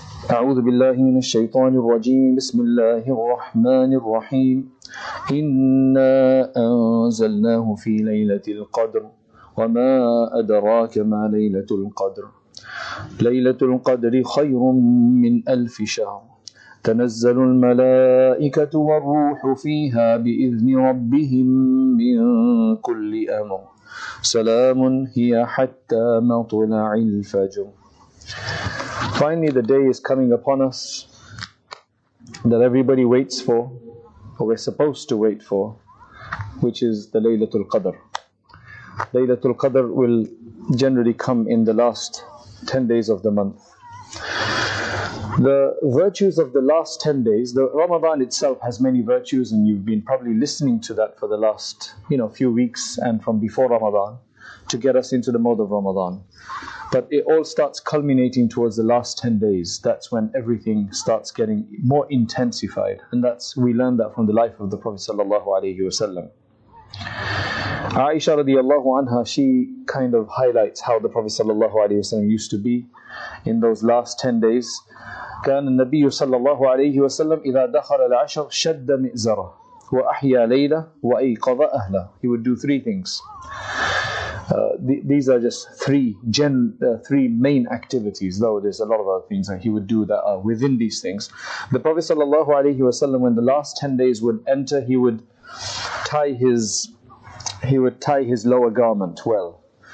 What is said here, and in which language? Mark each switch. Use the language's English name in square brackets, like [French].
[Arabic] أعوذ بالله من الشيطان الرجيم بسم الله الرحمن الرحيم إنا أنزلناه في ليلة القدر وما أدراك ما ليلة القدر ليلة القدر خير من ألف شهر تنزل الملائكة والروح فيها بإذن ربهم من كل أمر سلام هي حتى مطلع الفجر. [English] Finally, the day is coming upon us that everybody waits for, or we're supposed to wait for, which is the Laylatul Qadr. Laylatul Qadr will generally come in the last 10 days of the month. The virtues of the last 10 days, the Ramadan itself has many virtues, and you've been probably listening to that for the last, you know, few weeks and from before Ramadan to get us into the mode of Ramadan. But it all starts culminating towards the last 10 days. That's when everything starts getting more intensified. And that's, we learned that from the life of the Prophet sallallahu alayhi wasallam. Aisha radiallahu anha, she kind of highlights how the Prophet sallallahu alayhi wasallam used to be in those last 10 days. [Arabic] كان النبي صلى الله عليه وسلم إذا دخل العشر شد مئزرة وأحيا ليلة وأيقظ أهلا. [English] He would do three things. These are just three main activities, though there's a lot of other things that he would do that are within these things. The Prophet صلى الله عليه وسلم, when the last 10 days would enter, he would tie his lower garment well.